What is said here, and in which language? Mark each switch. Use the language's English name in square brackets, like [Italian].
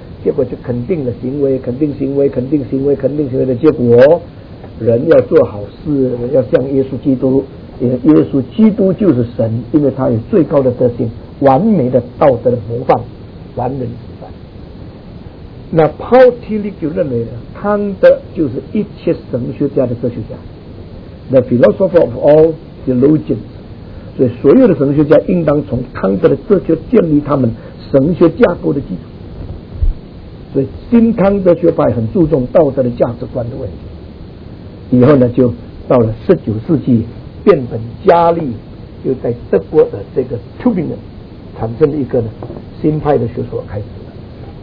[Chinese] 结果就肯定了行为，肯定行为，肯定行为，肯定行为的结果，人要做好事，要像耶稣基督，耶稣基督就是神，因为他有最高的德性，完美的道德的模范，完人之范。那 Paul Tillich 就认为康德就是一切神学家的哲学家， [English] the philosopher of all theologians. [Chinese] 所以所有的神学家应当从康德的哲学建立他们神学架构的基础。所以新康德学派很注重道德的价值观的问题。以后呢，就到了十九世纪，变本加厉，就在德国的这个 Tübingen 产生了一个呢新派的学说开始了。